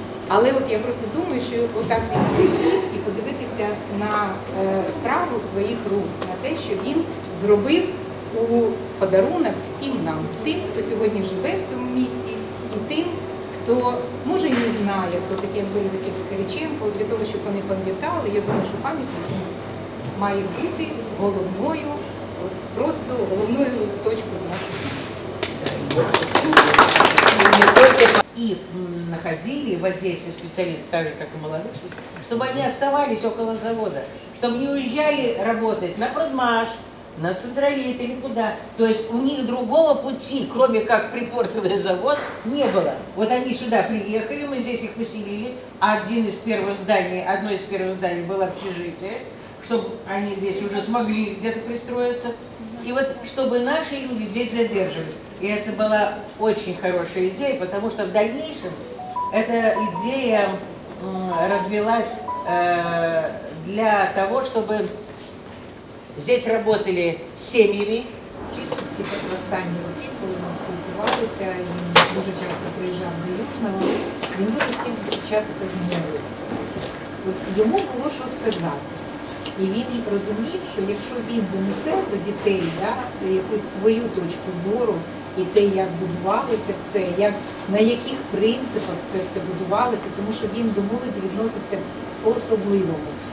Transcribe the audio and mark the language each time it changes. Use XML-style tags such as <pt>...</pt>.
<uk>Але от я просто думаю, що отак він сів і подивитися на справу своїх рук, на те, що він зробив у подарунок всім нам, тим, хто сьогодні живе в цьому місті, і тим, хто, може, не знає, хто такий Анатолій Васильович Стеличенко, для того, щоб вони пам'ятали, я думаю, що пам'ятник має бути головною, просто головною точкою нашого міста. І находили в Одесі спеціалістів, так же, як і молодих, щоб вони оставались</uk> <ru>около завода,</ru> <uk>щоб не уїжджали працювати на Продмаш, на Централіт</uk> <ru>или куда. То есть у них другого пути, кроме как припортовый завод, не было. Вот они сюда приехали, мы здесь их поселили. Одно из первых зданий было общежитие, чтобы они здесь уже смогли где-то пристроиться. И вот чтобы наши люди здесь задерживались. И это была очень хорошая идея, потому что в дальнейшем эта идея развелась для того, чтобы здесь работали семьями. Чистите по восстанию, которые у нас</ru> <uk>культивалися, и дуже часто</uk> <ru>приезжал</ru> <uk>до Южного, він дуже хотів зустрічатися з мною. От йому було що сказати. І він розумів, що якщо він донесе до дітей, да, якусь свою точку зору і те, як будувалося все, як, на яких принципах це все будувалося, тому що він до молоді відносився по-особливому.</uk>